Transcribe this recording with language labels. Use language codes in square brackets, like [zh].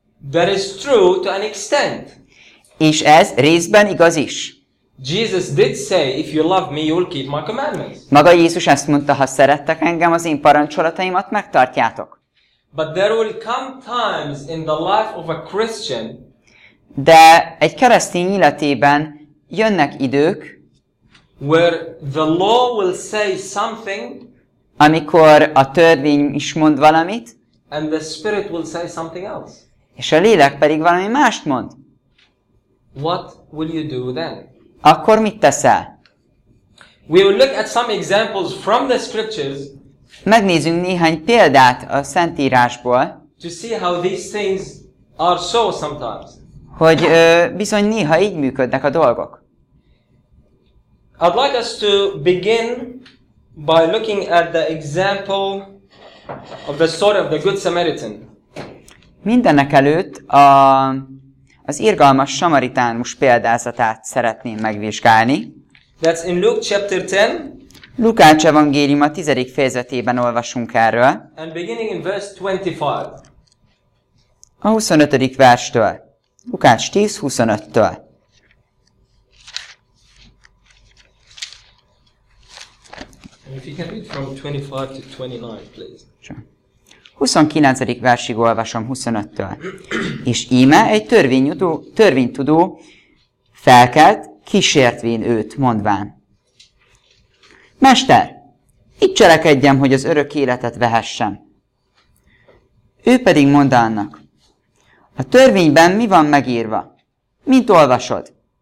[en] That is true to an extent. [hu] És ez részben igaz is. [en] Jesus did say, if you love me, you will keep my commandments. [hu] Maga Jézus ezt mondta, ha szerettek engem, az én parancsolataimat megtartjátok. [en] But there will come times in the life of a Christian. [hu] De egy keresztény életében jönnek idők, [en] where the law will say something, [hu] amikor a törvény is mond valamit, [en] and the spirit will say something else. [hu] És a lélek pedig valami mást mond. [en] What will you do then? [hu] Akkor mit teszel? [en] We will look at some examples from the scriptures. [hu] Megnézzünk néhány példát a Szentírásból. [en] To see how these things are so sometimes. [hu] Hogy bizony néha így működnek a dolgok. [en] I'd like us to begin by looking at the example of the story of the Good Samaritan. [hu] Mindenek előtt az irgalmas samaritánus példázatát szeretném megvizsgálni. [en] That's in Luke chapter 10. [hu] Lukács evangélium a 10. fejezetében olvasunk erről. [en] And beginning in verse 25. [hu] A 25. verstől. Lukács 10:25-től. [en] If you can read from 25 to 29, please. [hu] 29. versig olvasom 25-től. És íme egy törvénytudó felkelt, kísértvén őt, mondván. Mester, itt cselekedjem, hogy az örök életet vehessem. Ő pedig mondta annak, a törvényben mi van megírva? Mint olvasod?